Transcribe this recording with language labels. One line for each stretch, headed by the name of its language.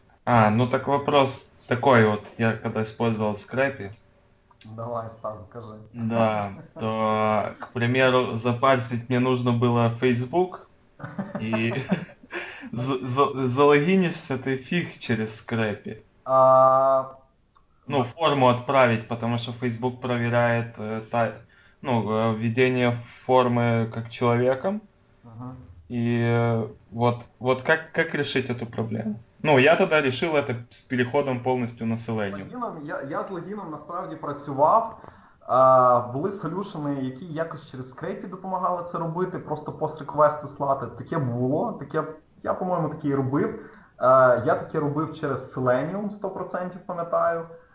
Russian: А, ну так вопрос такой вот. Я когда использовал Scrappy, Давай, Стас, скажи. да, то, к примеру, запарсить мне нужно было Facebook, и залогинишься ты фиг через Scrappy. Ну, форму отправить, потому что Facebook проверяет ну, введение формы как человеком. И вот как решить эту проблему? Ну, я тогда решил это с переходом полностью на Selenium.
Ukrainian: Я з логіном насправді працював. Були солюшени, які якось через скрепі допомагали це робити, просто пост-реквести слати. Таке було. Я, по-моєму, таке і робив. Я таке робив через Selenium, 100% пам'ятаю.